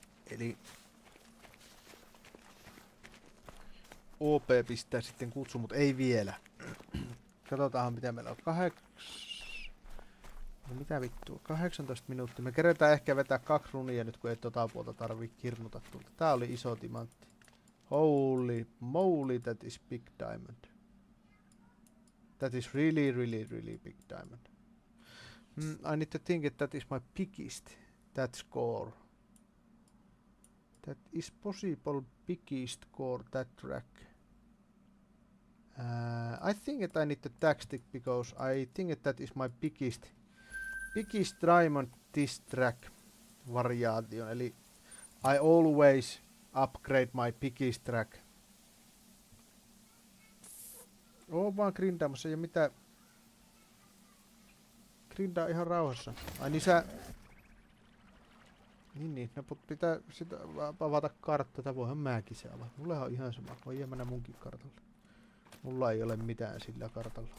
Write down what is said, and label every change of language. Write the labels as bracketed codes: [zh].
[fi] Eli OP pistää sitten kutsu, mut ei vielä. Katsotaanhan mitä meillä on. No mitä vittua, 18 minuuttia. Me keretään ehkä vetää 2 runia nyt, kun ei tota puolta tarvii kirnuta tuolta. Tää oli iso timantti. [en] Holy moly, that is big diamond. That is really, really, really big diamond. I need to think that is my biggest. That score. That is possible biggest core that track. I think that I need to text it because I think that is my biggest diamond this track variation. [fi] Eli [en] I always upgrade my biggest track. [fi] Oo vaan grindaamassa ja mitä. Grindaa ihan rauhassa. Ai niin sä. Niin niin, no pitää sit avata kartta, tää voihan mäkin se avata. Mullehan on ihan sama, voi ihan mennä munkin kartalla. Mulla ei ole mitään sillä kartalla.